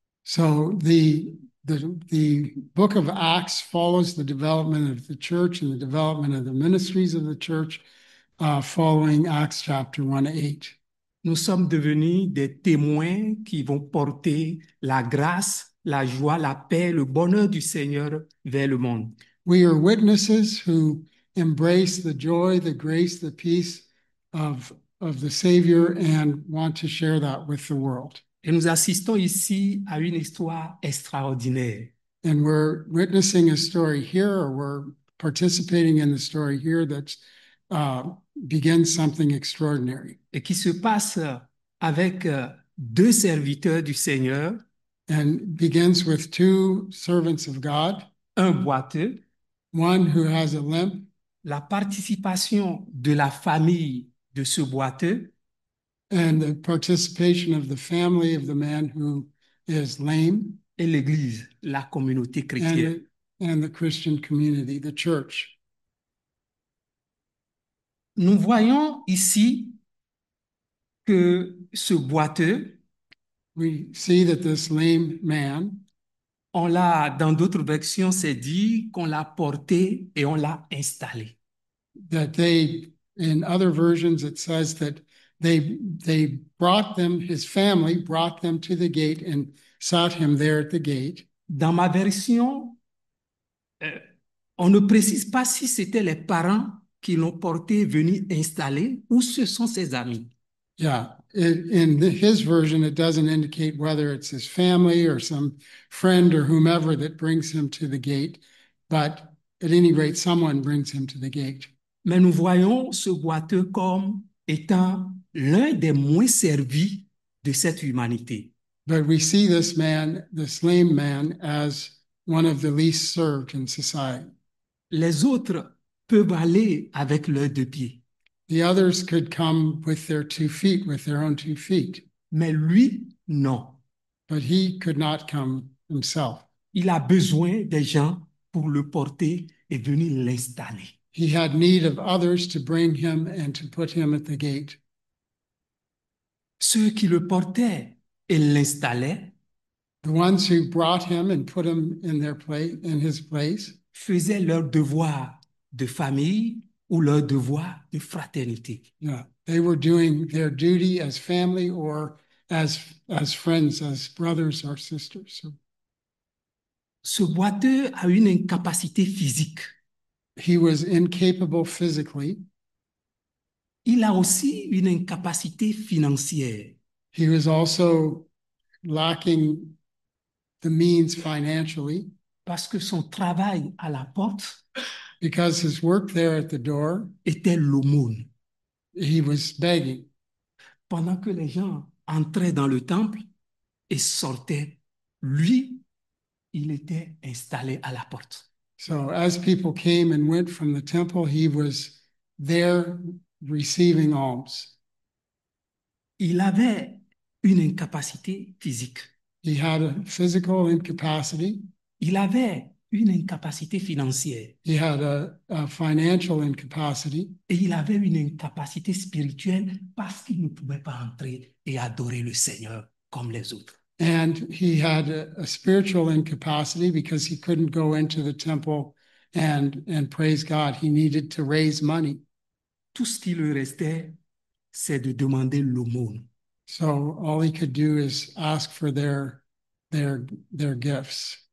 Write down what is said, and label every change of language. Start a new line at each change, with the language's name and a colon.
English: So the book of Acts follows the development of the church and the development of the ministries of the church. Following Acts chapter 1:8.
French: Nous sommes devenus des témoins qui vont porter la grâce, la joie, la paix, le bonheur du Seigneur vers le monde.
English: We are witnesses who embrace the joy, the grace, the peace of the Savior and want to share that with the world.
French: Et nous assistons ici à une histoire extraordinaire.
English: And we're witnessing a story here, or we're participating in the story here that's begin something extraordinary.
French: Et qui se passe avec deux serviteurs du Seigneur.
English: And begins with two servants of God,
French: Un boiteux,
English: one who has a limp,
French: la participation de la famille de ce boiteux,
English: and the participation of the family of the man who is lame,
French: et l'Église, la communauté
English: and
French: chrétienne.
English: the Christian community, the church.
French: Nous voyons ici que ce boiteux,
English: We see that this lame man,
French: on l'a, dans d'autres versions, c'est dit qu'on l'a porté et on l'a installé.
English: that they, in other versions, it says that they brought them, his family brought them to the gate and sat him there at the gate.
French: Dans ma version, on ne précise pas si c'était les parents qui l'ont porté, venu installer, ou ce sont ses amis.
English: Yeah. In his version, it doesn't indicate whether it's his family or some friend or whomever that brings him to the gate, but at any rate, someone brings him to the gate.
French: Mais nous voyons ce boiteux comme étant l'un des moins servis de cette humanité.
English: But we see this man, this lame man, as one of the least served in society.
French: Les autres peuvent aller avec leurs deux pieds.
English: The others could come with their two feet, with their own two feet.
French: Mais lui, non.
English: But he could not come himself.
French: Il a besoin des gens pour le porter et venir l'installer.
English: He had need of others to bring him and to put him at the gate.
French: Ceux qui le portaient et l'installaient,
English: the ones who brought him and put him in their place, in his place,
French: faisaient leur devoir de famille ou leur devoir de fraternité.
English: Yeah, they were doing their duty as family or as friends, as brothers or sisters. So,
French: ce boiteux a une incapacité physique.
English: he was incapable physically.
French: Il a aussi une incapacité financière.
English: He was also lacking the means financially.
French: Parce que son travail à la porte
English: because his work there at the door
French: était l'aumône.
English: He was begging.
French: Pendant que les gens entraient dans le temple et sortaient, lui, il était installé à la porte.
English: So as people came and went from the temple, he was there receiving alms.
French: Il avait une incapacité physique.
English: He had a physical incapacity.
French: Il avait une incapacité financière.
English: He had a financial incapacity.
French: Et il avait une incapacité spirituelle parce qu'il ne pouvait pas entrer et adorer le Seigneur comme les autres.
English: And he had a spiritual incapacity because he couldn't go into the temple and praise God. He needed to raise money.
French: Tout ce qui lui restait, c'est de demander l'aumône.
English: So all he could do is ask for their gifts.